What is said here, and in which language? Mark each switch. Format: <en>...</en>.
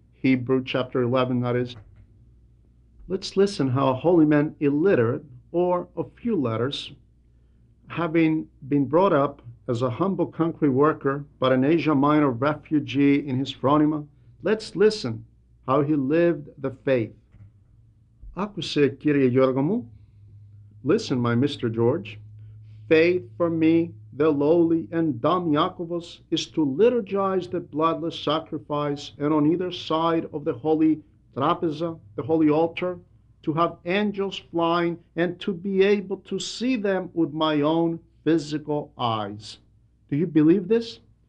<en>Hebrews chapter 11, that is. Let's listen how a holy man, illiterate or a few letters, having been brought up as a humble concrete worker, but an Asia Minor refugee in his phronema, let's listen how he lived the faith.</en> <el>Άκουσε, κύριε Γιώργο μου.</el> <en>Listen, my Mr. George. Faith for me, the lowly and dumb Iakovos, is to liturgize the bloodless sacrifice and on either side of the holy trapeza, the holy altar, to have angels flying and to be able to see them with my own physical eyes. Do you believe this?</en>